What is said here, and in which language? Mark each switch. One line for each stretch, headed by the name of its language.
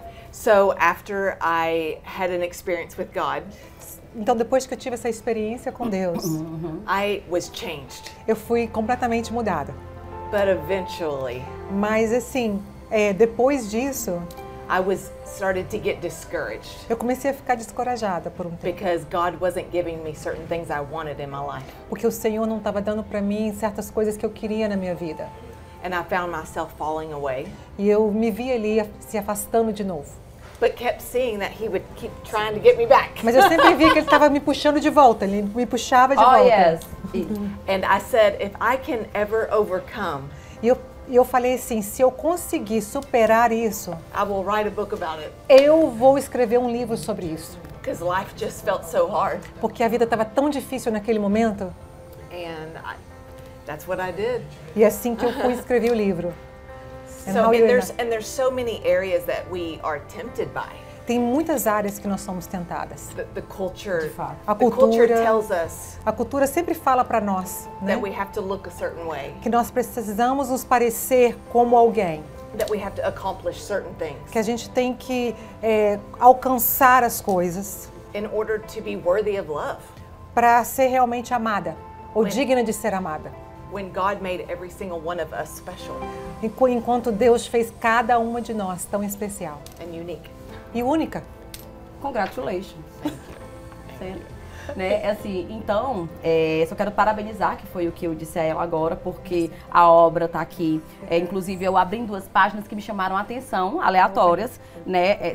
English: So, after I had an experience with God.
Portuguese: Então, depois que eu tive essa experiência com Deus.
English: I was changed.
Portuguese: Eu fui completamente mudada.
English: But eventually.
Portuguese: Mas assim... depois disso,
English: started to get discouraged.
Portuguese: Eu comecei a ficar descorajada por um tempo.
English: Because God wasn't giving me certain things I wanted in my life.
Portuguese: Porque o Senhor não estava dando para mim certas coisas que eu queria na minha vida.
English: And I found myself falling away.
Portuguese: E eu me vi ali se afastando de novo.
English: But kept seeing that he would keep trying to get me back.
Portuguese: Mas eu sempre vi que ele estava me puxando de volta, ele me puxava de volta. Oh
English: yes. And I said, if I can ever overcome.
Portuguese: E eu falei assim, se eu conseguir superar isso,
English: I will write a book about it.
Portuguese: Eu vou escrever um livro sobre isso.
English: Because life just felt so hard.
Portuguese: Porque a vida estava tão difícil naquele momento.
English: And I, that's what I did.
Portuguese: E assim que eu fui escrever o livro.
English: And there's so many areas that we are tempted by.
Portuguese: Tem muitas áreas que nós somos tentadas.
English: The culture,
Portuguese: de fato. A cultura
English: tells us.
Portuguese: A cultura sempre fala para nós, né?
English: That we have to look a certain way.
Portuguese: Que nós precisamos nos parecer como alguém.
English: That we have to accomplish certain things.
Portuguese: Que a gente tem que alcançar as coisas.
English: In order to be worthy of love.
Portuguese: Para ser realmente amada ou digna de ser amada.
English: When God made every single one of us special.
Portuguese: Enquanto Deus fez cada uma de nós tão especial.
English: And unique.
Portuguese: E única.
English: Congratulations. Thank you.
Portuguese: Né? Assim, então, só quero parabenizar, que foi o que eu disse a ela agora, porque a obra tá aqui. Inclusive, eu abri duas páginas que me chamaram a atenção, aleatórias. Né?